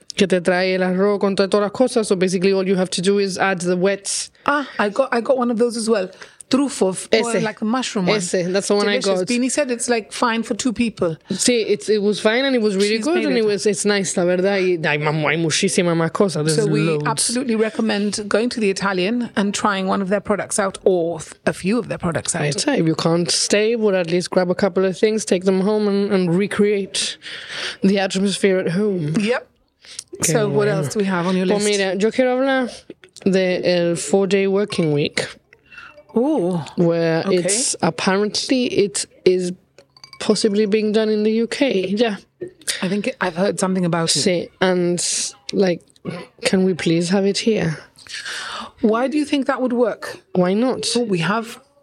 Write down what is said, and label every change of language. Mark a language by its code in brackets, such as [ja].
[es] Que te trae el arroz con todas las cosas. [en] So basically all you have to do is add the wet. Ah, I got one of those as well. Truffo, or like a mushroom one. [es] Ese, [en] that's the one delicious. I got. Beanie said it's like fine for two people. [es] Sí, [en] it was fine and it was really good. And it's nice, [es] la verdad. Hay muchísimas más cosas. [en] There's so we loads. Absolutely recommend going to the Italian and trying one of their products out, or a few of their products out. I tell you, if you can't stay, well, at least grab a couple of things, take them home and recreate the atmosphere at home. Yep. Okay, so what else do we have on your list? [es] Pues mira, yo quiero hablar de el [en] 4-day working week. Ooh. Where okay. It's apparently it is possibly being done in the UK. Yeah. I think I've heard something about it. [es] Sí, [en] and like, can we please have it here? Why do you think that would work? Why not? Well, we have...